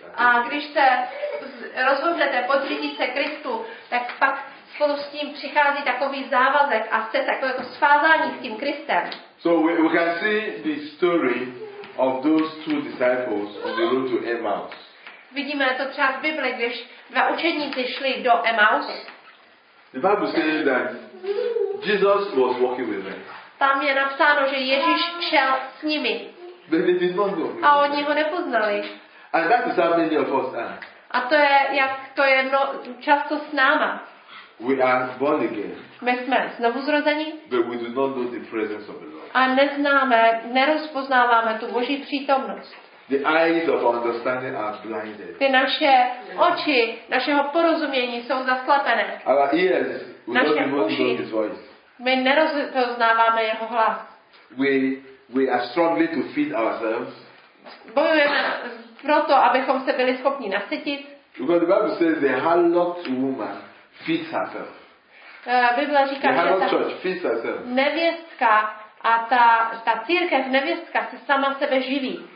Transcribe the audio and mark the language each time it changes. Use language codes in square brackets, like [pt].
[cs] A když se rozhodnete podřídit se Kristu, tak pak spolu s tím přichází takový závazek a jste takové jako svázání s tím Kristem. [en] So we can see the story of those two disciples on the road to Emmaus. [cs] Vidíme to třeba v Bibli, když dva učedníci šli do Emmaus. [en] The Bible says that Jesus was walking with them. [cs] Tam je napsáno, že Ježíš šel s nimi. [en] But they did not know. [cs] A oni ho nepoznali. [en] And that is how many of us are. [cs] A to je jak to je no, často s náma. [en] We are born again. [cs] My jsme znovu zrození. [en] But we do not know the presence of the Lord. [cs] A neznáme, nerozpoznáváme tu Boží přítomnost. [en] The eyes of understanding are blinded. [cs] Ty naše oči, našeho porozumění jsou zaslepené. [en] Our ears, we [cs] naše [en] don't even [cs] uši, [en] know His voice. [cs] My nerozpoznáváme Jeho hlas. [en] We are struggling to feed ourselves. [cs] Bojujeme proto, abychom se byli schopni nasytit. [en] Because the Bible says the harlot woman feeds herself. [cs] Bible říká, [en] the [cs] že ta [en] church feeds herself. [cs] Nevěstka a ta církev nevěstka se sama sebe živí.